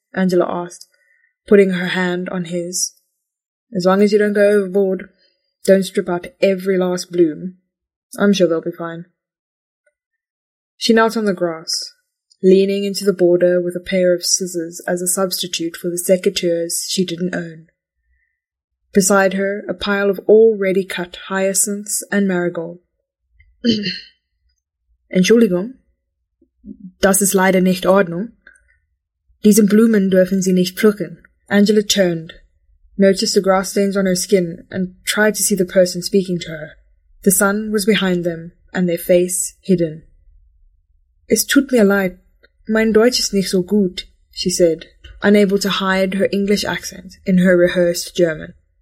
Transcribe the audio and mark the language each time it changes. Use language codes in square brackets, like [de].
[en] Angela asked, putting her hand on his. As long as you don't go overboard, don't strip out every last bloom. I'm sure they'll be fine. She knelt on the grass, leaning into the border with a pair of scissors as a substitute for the secateurs she didn't own. Beside her, a pile of already cut hyacinths and marigold. [de] Entschuldigung, das ist leider nicht Ordnung. Diesen Blumen dürfen Sie nicht pflücken. [en] Angela turned, noticed the grass stains on her skin, and tried to see the person speaking to her. The sun was behind them, and their face hidden. [de] Es tut mir leid, mein Deutsch ist nicht so gut, [en] she said, unable to hide her English accent in her rehearsed German.